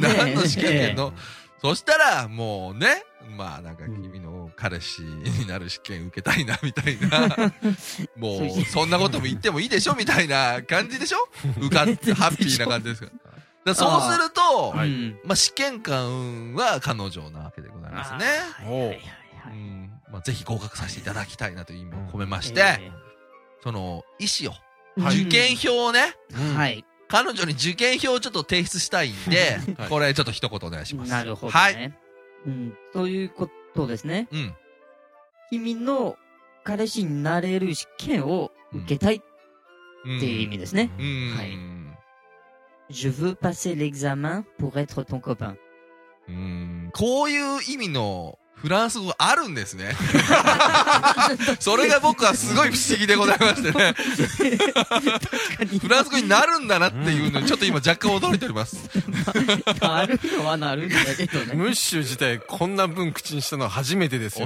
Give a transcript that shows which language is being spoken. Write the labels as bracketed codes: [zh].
[ja] 何の試験受けんの、そしたらもうね、まあなんか君の彼氏になる試験受けたいなみたいな、もうそんなことも言ってもいいでしょみたいな感じでしょ、受かってハッピーな感じですから、そうすると、まあ試験官は彼女なわけでございますね、まあぜひ合格させていただきたいなという意味を込めまして、その意思を、受験票をね、はい、彼女に受験票をちょっと提出したいんで、はい、これちょっと一言お願いします。なるほどね、はい、うん、ということですね、うん、君の彼氏になれる試験を受けたいっていう意味ですね、うんうん、は [fr] い、Je veux passer l'examen pour être ton copain、 [ja] こういう意味のフランス語あるんですね。それが僕はすごい不思議でございましてね。フランス語になるんだなっていうのにちょっと今若干驚いております。なるのはなるんだけどね。ムッシュ自体こんな文口にしたのは初めてですよ。